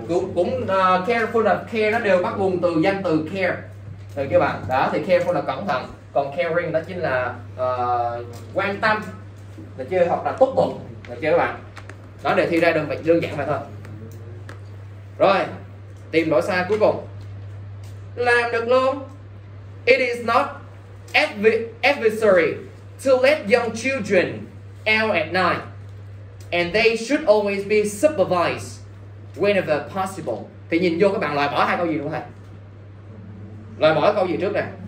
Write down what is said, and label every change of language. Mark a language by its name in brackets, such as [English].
[Vietnamese] Cũng careful là care, nó đều bắt nguồn từ danh từ care. Được chứ các bạn? Đó, thì careful là cẩn thận. Còn caring đó chính là quan tâm. Được chứ? Hoặc là tốt bụng. Được chứ các bạn? Đó, đề thi ra đơn giản vậy thôi. Rồi, tìm lỗi sai cuối cùng. Làm được luôn. [English] It is not adversary to let young children out at night, and they should always be supervised whenever possible. [Vietnamese] Thì nhìn vô các bạn loại bỏ hai câu gì đúng không thầy? Loại bỏ câu gì trước nè?